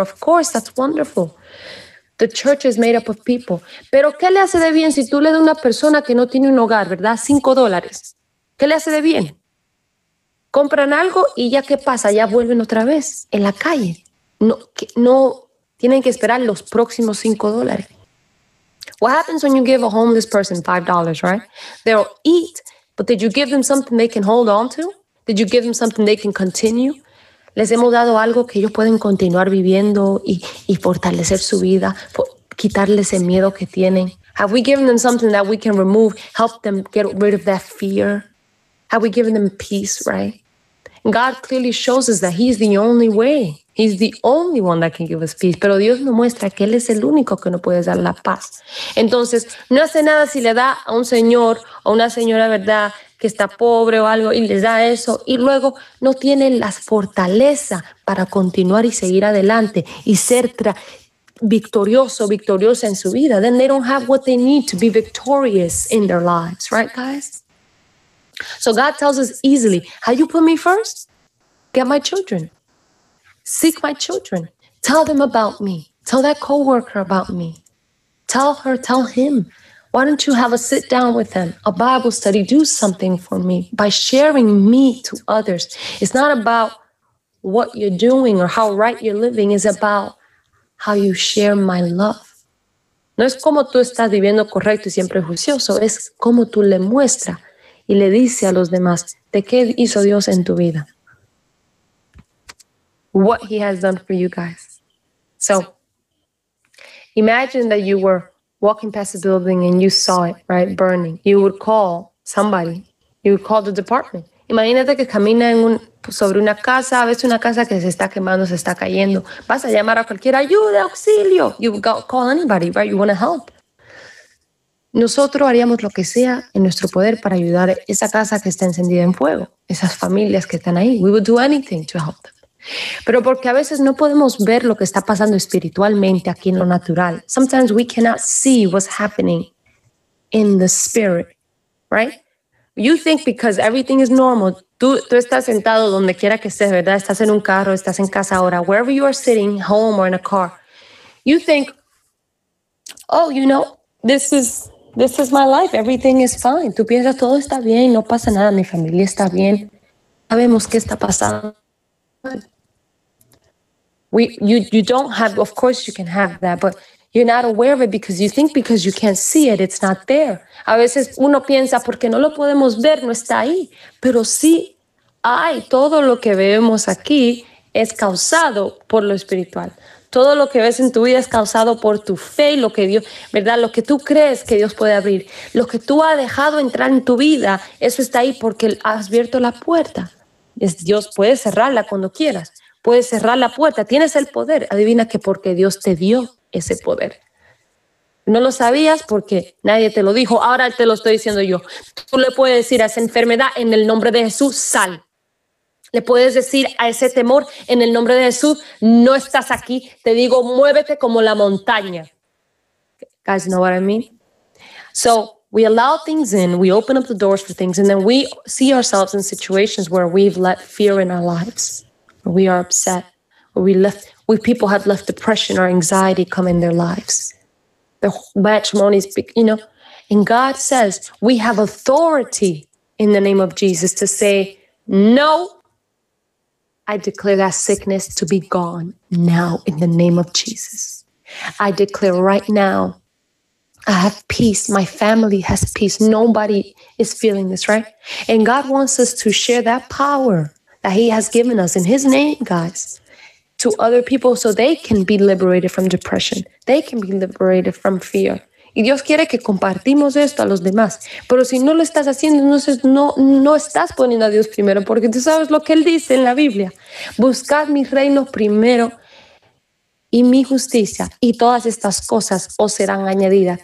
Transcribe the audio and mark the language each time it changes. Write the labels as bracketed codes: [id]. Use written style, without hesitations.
[en] Of course, that's wonderful. The church is made up of people. [es] Pero ¿qué le hace de bien si tú le das a una persona que no tiene un hogar, verdad? $5. ¿Qué le hace de bien? Compran algo y ya, ¿qué pasa? Ya vuelven otra vez en la calle. No tienen que esperar los próximos $5. [en] What happens when you give a homeless person $5, right? They'll eat, but did you give them something they can hold on to? Did you give them something they can continue? [es] Les hemos dado algo que ellos pueden continuar viviendo y fortalecer su vida, quitarles el miedo que tienen. [en] Have we given them something that we can remove, help them get rid of that fear? Have we given them peace, right? And God clearly shows us that He's the only way. He's the only one that can give us peace. [es] Pero Dios nos muestra que Él es el único que nos puede dar la paz. Entonces, no hace nada si le da a un señor o una señora, ¿verdad?, que está pobre o algo, y les da eso, y luego no tienen la fortaleza para continuar y seguir adelante y ser victorioso, victoriosa en su vida. [en] Then they don't have what they need to be victorious in their lives, right, guys? So God tells us easily, how you put me first? Get my children. Seek my children. Tell them about me. Tell that coworker about me. Tell her, tell him. Why don't you have a sit down with them, a Bible study, do something for me by sharing me to others. It's not about what you're doing or how right you're living. It's about how you share my love. [es] No es como tú estás viviendo correcto y siempre juicioso. Es como tú le muestras y le dices a los demás de qué hizo Dios en tu vida. [en] What He has done for you guys. So, imagine that you were walking past the building and you saw it, right, burning. You would call somebody. You would call the department. [es] Imagínate que camina sobre una casa, ves una casa que se está quemando, se está cayendo. Vas a llamar a cualquier ayuda, auxilio. [en] You would call anybody, right? You want to help. [es] Nosotros haríamos lo que sea en nuestro poder para ayudar esa casa que está encendida en fuego, esas familias que están ahí. [en] We would do anything to help them. [es] Pero porque a veces no podemos ver lo que está pasando espiritualmente aquí en lo natural. [en] Sometimes we cannot see what's happening in the spirit, right? You think because everything is normal, [es] tú estás sentado donde quiera que estés, ¿verdad? Estás en un carro, estás en casa ahora, [en] wherever you are sitting, home or in a car. You think, oh, you know, this is my life, everything is fine. [es] Tú piensas, todo está bien, no pasa nada, mi familia está bien. Sabemos qué está pasando. [en] You don't have, of course you can have that, but you're not aware of it because you think because you can't see it, it's not there. [es] A veces uno piensa, porque no lo podemos ver, no está ahí. Pero sí hay, todo lo que vemos aquí es causado por lo espiritual. Todo lo que ves en tu vida es causado por tu fe y lo que Dios, ¿verdad? Lo que tú crees que Dios puede abrir. Lo que tú has dejado entrar en tu vida, eso está ahí porque has abierto la puerta. Dios puede cerrarla cuando quieras. Puedes cerrar la puerta. Tienes el poder. Adivina que porque Dios te dio ese poder. No lo sabías porque nadie te lo dijo. Ahora te lo estoy diciendo yo. Tú le puedes decir a esa enfermedad en el nombre de Jesús, sal. Le puedes decir a ese temor en el nombre de Jesús, no estás aquí. Te digo, muévete como la montaña. [en] Guys, know what I mean? So, we allow things in, we open up the doors for things, and then we see ourselves in situations where we've let fear in our lives. We are upset, or people have left depression or anxiety come in their lives. The matrimonies, you know, and God says we have authority in the name of Jesus to say, no, I declare that sickness to be gone now in the name of Jesus. I declare right now, I have peace. My family has peace. Nobody is feeling this, right? And God wants us to share that power that He has given us in His name, guys, to to other people so they can be liberated from depression. They can be liberated from fear. [es] Y Dios quiere que compartimos esto a los demás. Pero si no lo estás haciendo, entonces no estás poniendo a Dios primero, porque tú sabes lo que Él dice en la Biblia. Buscad mi reino primero y mi justicia, y todas estas cosas os serán añadidas.